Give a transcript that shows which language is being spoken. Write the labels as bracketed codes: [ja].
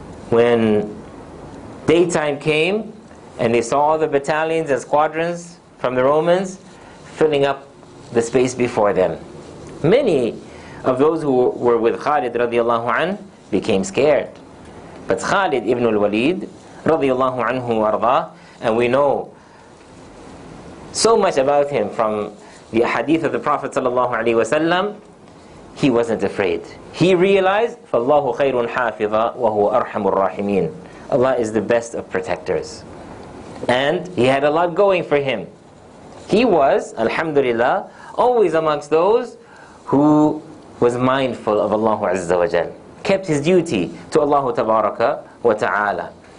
[en] When daytime came and they saw all the battalions and squadrons from the Romans filling up the space before them, many of those who were with Khalid radiallahu anhu became scared. But Khalid ibn al-Walid radiallahu anhu warda, and we know so much about him from the hadith of the Prophet sallallahu alayhi wa sallam, he wasn't afraid. He realized, [ar] فَاللَّهُ خَيْرٌ حَافِظًا وَهُوَ أَرْحَمُ الرَّاحِمِينَ. [en] Allah is the best of protectors. And he had a lot going for him. He was, alhamdulillah, always amongst those who was mindful of Allah Azza wa Jal, kept his duty to Allah Tabaraka wa Ta'ala.